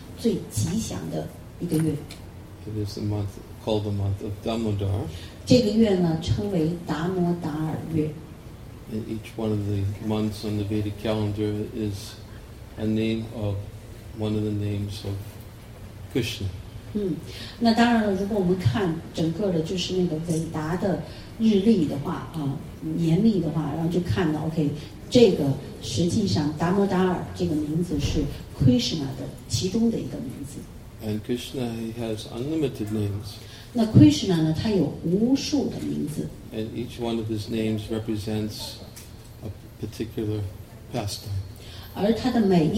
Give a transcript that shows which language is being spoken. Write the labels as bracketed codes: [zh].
[zh] 对于这个信奉者来说，这个月是这一年里头最吉祥的一个月。It [en] is the month called the month of Dhammodar. [zh] 这个月呢，称为达摩达尔月。And [en] each one of the months on the Vedic calendar is a name of one of the names of Krishna. [zh] 那当然了，如果我们看整个的，就是那个伟达的日历的话，年历的话，然后就看到 ，OK， 这个实际上达摩达尔这个名字是 Krishna 的其中的一个名字。And [en] Krishna has unlimited names. [zh] 那 Krishna 呢，他有无数的名字。And [en] each one of his names represents a particular pastime.